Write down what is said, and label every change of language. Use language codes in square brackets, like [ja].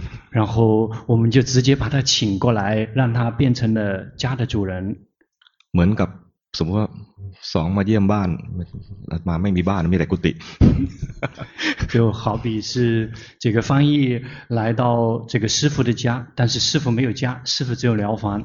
[zh] 然后我们就直接把他请过来让他变成了家的主人 [th] เหมือนกับสมมติว่าสองมาเยี่ยมบ้านมาไม่มีบ้านมีแต่กุฏิ [zh] 就好比是这个翻译来到这个师父的家但是师父没有家师父只有疗房